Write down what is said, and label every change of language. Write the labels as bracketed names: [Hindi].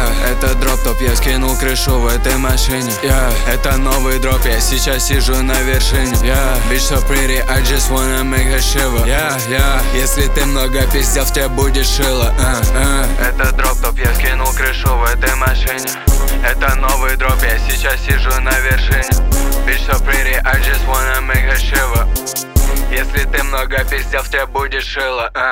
[Russian] Это дроп-топ, я скинул крышу в этой машине. Это новый дроп, я сейчас сижу на вершине. [English] Bitch so pretty, I just wanna make her shiver. [Russian] Если ты много пиздел, в тебе будет шило. Это дроп-топ, я скинул крышу в этой машине. Это новый дроп, я сейчас сижу на вершине. [English] Bitch so pretty, I just wanna make her shiver. [Russian] Если ты много пиздел, в тебе будет шило.